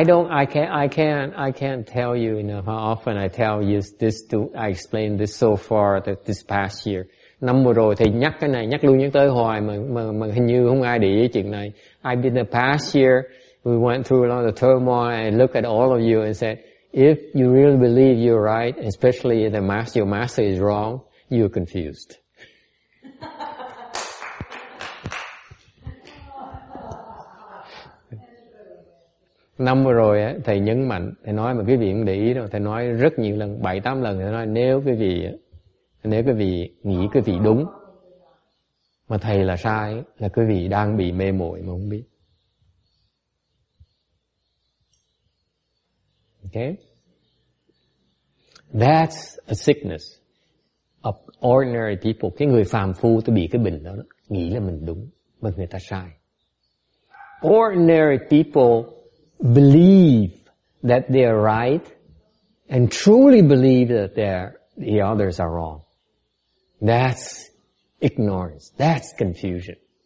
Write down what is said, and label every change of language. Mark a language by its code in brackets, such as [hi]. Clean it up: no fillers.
[en] I can't tell you enough how often I tell you this to, I explain this so far that this past year. [vi] Năm vừa rồi thầy nhắc cái này, nhắc luôn nhắc tới hoài mà hình như không ai để ý chuyện này. [en] I've been the past year, we went through a lot of turmoil and look at all of you and said, if you really believe you're right, especially if the master, your master is wrong, you're confused. [vi] Năm vừa rồi thầy nhấn mạnh, thầy nói mà quý vị cũng để ý đâu, thầy nói rất nhiều lần, 7-8 lần thầy nói nếu quý vị nghĩ quý vị đúng mà thầy là sai là quý vị đang bị mê muội mà không biết. [en] Okay, that's a sickness of ordinary people. [vi] Cái người phàm phu tôi bị cái bệnh đó, nghĩ là mình đúng mà người ta sai. [en] Ordinary people believe that they are right and truly believe that the others are wrong. That's ignorance. That's confusion.